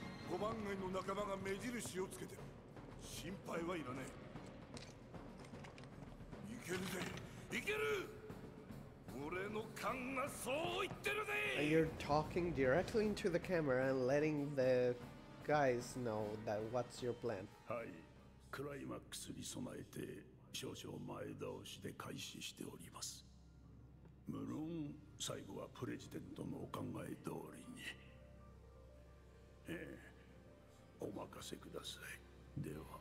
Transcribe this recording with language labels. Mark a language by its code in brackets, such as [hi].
[ja] 5番街の仲間が目印をつけてる。心配はいらねえ。行けるぜ。行ける。俺の勘がそう言ってるぜ。 [en] You're talking directly into the camera and letting the guys know that what's your plan. [ja] はい。クライマックスに備えて少々前倒しで開始しております。無論最後はプレジデントのお考え通りに、ええ、お任せください。では